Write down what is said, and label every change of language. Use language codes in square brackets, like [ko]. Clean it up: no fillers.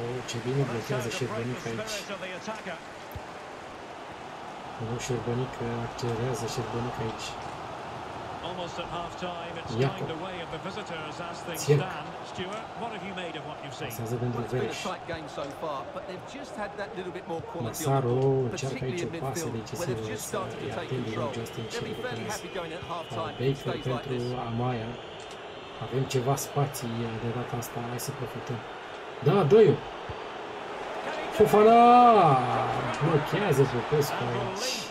[ro] Ce bine blochează Șerbănică aici. Nu, Șerbănică accelerează Șerbănică aici. [en] Almost at half time, it's going the way of the visitors as things stand. Stuart, what have you made of what you've seen? Well, it's been a tight game so far, but they've just had that little bit more quality Masaro, on the ball, particularly in midfield, where they've just started to take control. They'll be fairly happy going at half time, stays like this. [ro] Pentru Amaya. Avem ceva spații de data asta, hai să profităm. Da, dă-i-o! Fofana! Blochează Popescu aici.